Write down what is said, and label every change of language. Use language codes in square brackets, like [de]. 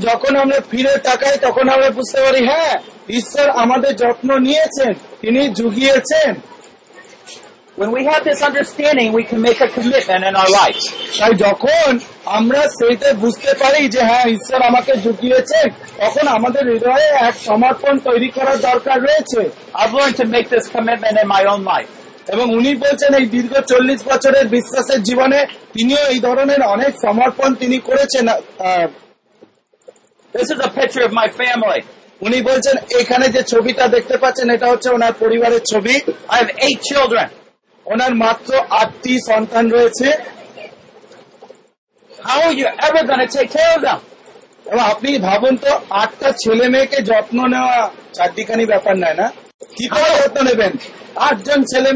[bn] যখন আমরা ফিরে তাকাই তখন আমরা বুঝতে পারি হ্যাঁ, ঈশ্বর আমাদের যত্ন নিয়েছেন, তিনি যুগিয়েছেন। [en] When we have this understanding, we can make a commitment in our life. [bn] তাই যখন আমরা সেইতে বুঝতে পারি যে হ্যাঁ, ঈশ্বর আমাকে জুগিয়েছে, তখন আমাদের হৃদয়ে এক সমর্পণ তৈরি করার দরকার রয়েছে। [en] I'm going to make this commitment in my own life. [bn] এবং উনি বলছেন এই দীর্ঘ ৪০ বছরের বিশ্বাসের জীবনে তিনিও এই ধরনের অনেক সমর্পণ তিনি করেছেন। [en] This is a picture of my family. [bn] উনি বলছেন এখানে যে ছবিটা দেখতে পাচ্ছেন এটা হচ্ছে ওনার পরিবারের ছবি। [en] I have 8 children. [bn] ওনার মাত্র আটটি সন্তান রয়েছে। [en] How are you ever going to take care of them? [bn] এবং আপনি ভাবুন তো আটটা ছেলে মেয়েকে যত্ন নেওয়া চারদিকানি ব্যাপার নয় না, কি করে যত্ন নেবেন আটজন ছেলে